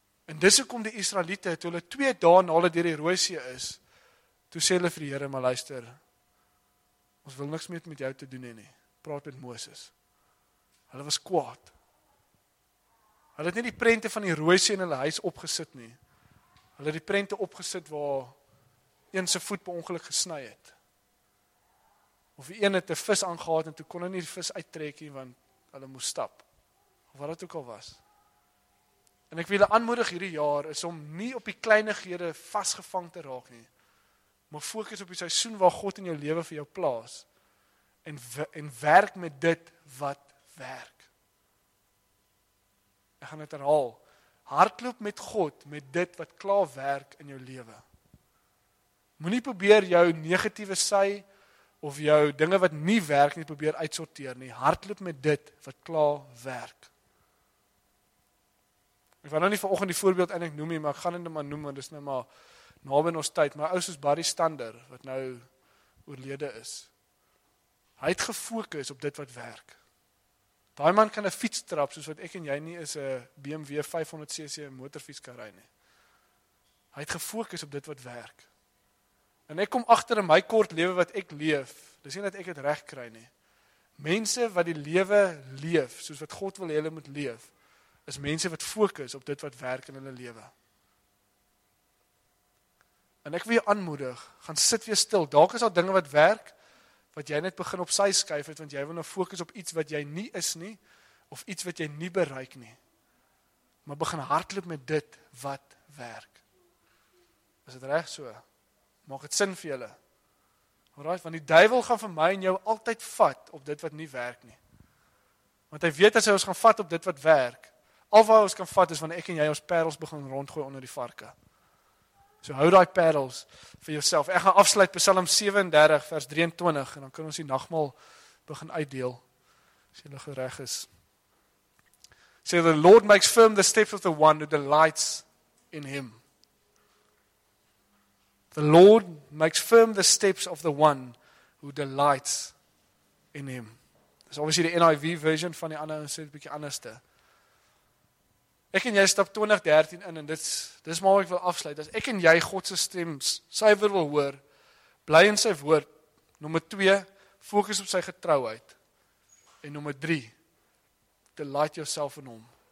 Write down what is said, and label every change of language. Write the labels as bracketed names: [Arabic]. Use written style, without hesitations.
[Afrikaans] En dis hoekom die Israeliete, toe hulle 2 dae na hulle deur die Rooi See is, toe sê hulle vir die Here, maar luister, ons wil niks meer met jou te doen nie. Praat met Moses. Hulle was kwaad. Hulle het nie die prente van die Rooi See in hulle huis opgesit nie. Hulle het die prente opgesit waar een se voet per ongeluk gesny het. Of die een het 'n vis aangehaal en toe kon hulle nie die vis uittrek nie, want hulle moes stap. Of wat dit ook al was. En ek wil julle aanmoedig hierdie jaar, is om nie op die kleinighede vasgevang te raak nie, maar fokus op die seisoen waar God in jou lewe vir jou plaas, en werk met dit wat werk. Ek gaan dit herhaal. Hardloop met God, met dit wat klaar werk in jou lewe. Moenie probeer jou negatiewe sy of jou dinge wat nie werk nie probeer uitsorteer nie. Hardloop met dit wat klaar werk. Ek wil nou nie vanoggend die voorbeeld eintlik noem nie, maar ek gaan dit net maar noem, want dit is nou maar naby ons tyd. My ou soos Barry Stander, wat nou oorlede is. Hy het gefokus op dit wat werk. Daai man kan 'n fiets trap soos wat ek en jy nie is 'n BMW 500cc motorfiets kan ry nie. Hy het gefokus op dit wat werk. En ek kom agter in my kort lewe wat ek leef, dis nie dat ek het reg kry nie. Mense wat die lewe leef, soos wat God wil hulle moet leef, is mense wat fokus op dit wat werk in hulle lewe. En ek wil jou aanmoedig, gaan sit weer stil. Dalk is daar dinge wat werk, wat jy net begin op sy skuif het, want jy wil nou fokus op iets wat jy nie is nie, of iets wat jy nie bereik nie. maar begin hardloop met dit wat werk. Is dit reg so? Maak dit sin vir julle? Alright, want die duivel gaan vir my en jou altyd vat op dit wat nie werk nie. Want hy weet as hy ons gaan vat op dit wat werk, al wat ons kan vat is wanneer ek en jy ons parels begin rondgooi onder die varke. So hou die parels vir jouself. Ek gaan afsluit Psalm 37 vers 23 en dan kan ons die nagmaal begin uitdeel. As jy nog reg is. [English] So the Lord makes firm the steps of the one who delights in him. The Lord makes firm the steps of the one who delights in him. [Afrikaans] Dis obviously die NIV version van die ander en sê 'n bietjie anderste. Ek en jy stap 2013 in en dis maar wat ek wil afsluit. As ek en jy God se stem suiwer wil hoor, bly in sy woord. Nommer 2, fokus op sy getrouheid. En nommer 3, [English] delight yourself in [Afrikaans] hom.